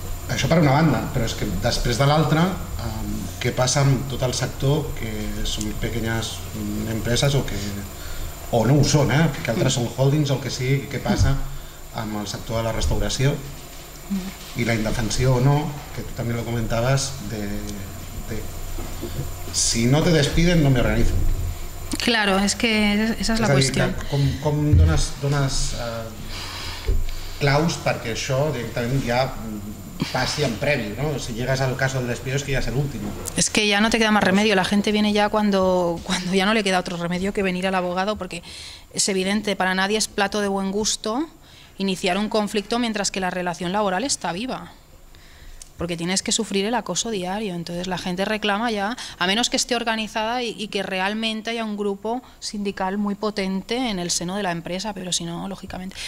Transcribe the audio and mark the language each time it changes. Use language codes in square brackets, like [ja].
[ca] Això per una banda, però és que després de l'altra, què passa amb tot el sector que són pequeñas empreses o no ho són, que altres són holdings o el que sigui, què passa amb el sector de la restauració i la indefensió o no, que tu també ho comentaves, [es] de si no te despiden no me organizo. Claro, es que esa es la cuestión. [ca] Com dones claus perquè això directament ja passi en previ, ¿no? [es] Si llegas al caso del despido es que ya es el último. Es que ya no te queda más remedio, la gente viene ya cuando ya no le queda otro remedio que venir al abogado, porque es evidente, para nadie es plato de buen gusto iniciar un conflicto mientras que la relación laboral está viva. Porque tienes que sufrir el acoso diario, entonces la gente reclama ya, a menos que esté organizada y que realmente haya un grupo sindical muy potente en el seno de la empresa, pero si no, lógicamente.